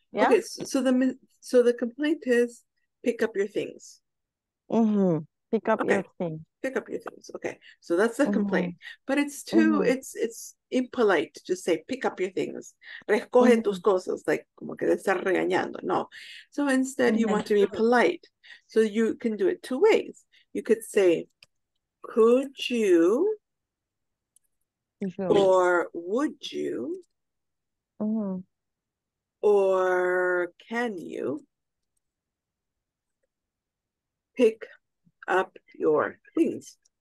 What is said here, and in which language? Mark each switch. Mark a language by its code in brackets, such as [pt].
[en] So the complaint is pick up your things. Mm-hmm. Pick up your things. Okay, so that's the complaint. Mm-hmm. But it's too, mm-hmm. it's impolite to say, pick up your things. [es] Recoge mm-hmm. tus cosas, like, como que te estás regañando. No. [en] So instead, mm-hmm. you want to be polite. So you can do it two ways. You could say, could you, mm-hmm. or would you, mm-hmm. or can you, pick up your things.